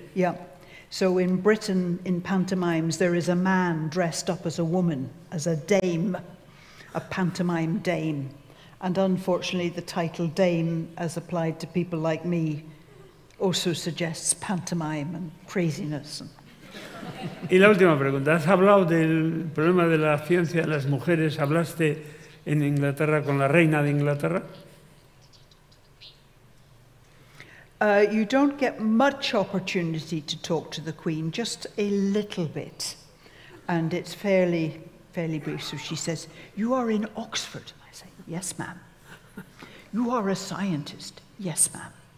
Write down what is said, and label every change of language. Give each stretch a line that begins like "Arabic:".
English: Yeah. So in Britain, in pantomimes, there is a man dressed up as a woman, as a dame, a pantomime dame. And unfortunately, the title dame, as applied to people like me, also suggests pantomime and craziness.
Spanish: Y la última pregunta. Has hablado del problema de la ciencia de las mujeres. Hablaste en Inglaterra con la reina de Inglaterra.
English: You don't get much opportunity to talk to the Queen, just a little bit. And it's fairly brief. So she says, "You are in Oxford." I say, "Yes, ma'am." "You are a scientist." "Yes, ma'am."